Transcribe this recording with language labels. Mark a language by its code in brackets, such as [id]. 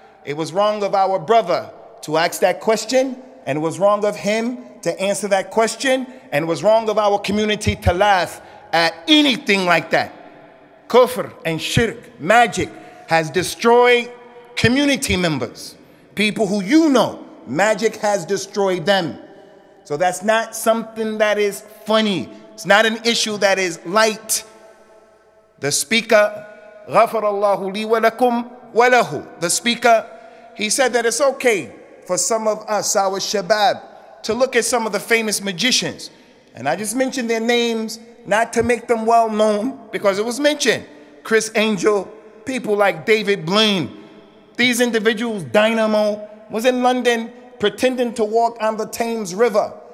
[en] It was wrong of our brother to ask that question, and it was wrong of him to answer that question, and it was wrong of our community to laugh at anything like that. Kufr and shirk, magic, has destroyed community members. People who you know, magic has destroyed them. So that's not something that is funny. It's not an issue that is light. The speaker, [ar] غَفَرَ اللَّهُ لِي وَلَكُمْ وَلَهُ. [en] The speaker, he said that it's okay for some of us, our shabab, to look at some of the famous magicians. And I just mentioned their names not to make them well known, because it was mentioned. Chris Angel, people like David Blaine. These individuals, Dynamo, was in London pretending to walk on the Thames River.